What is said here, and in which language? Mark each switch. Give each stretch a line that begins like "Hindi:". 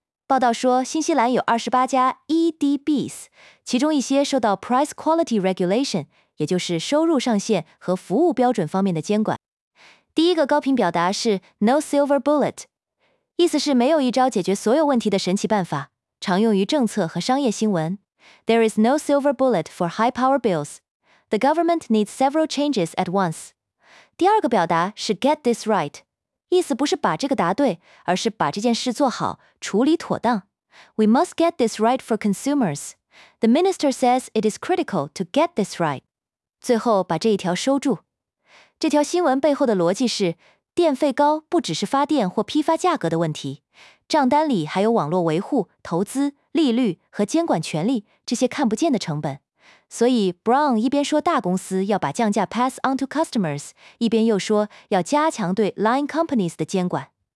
Chinese: 报道说，新西兰有28家 EDBs, 其中一些受到 Price Quality Regulation, 也就是收入上限和服务标准方面的监管。第一个高频表达是 No Silver Bullet, 意思是没有一招解决所有问题的神奇办法，常用于政策和商业新闻。
English: There is no silver bullet for high power bills. The government needs several changes at once.
Chinese: 第二个表达是 Get this right,意思不是把这个答对，而是把这件事做好，处理妥当。
English: We must get this right for consumers. The minister says it is critical to get this right.
Chinese: 最后把这一条收住。这条新闻背后的逻辑是，电费高不只是发电或批发价格的问题，账单里还有网络维护、投资、利率和监管权利这些看不见的成本。所以 Brown 一边说大公司要把降价
English: pass on to customers,
Chinese: 一边又说要加强对 line companies 的监管。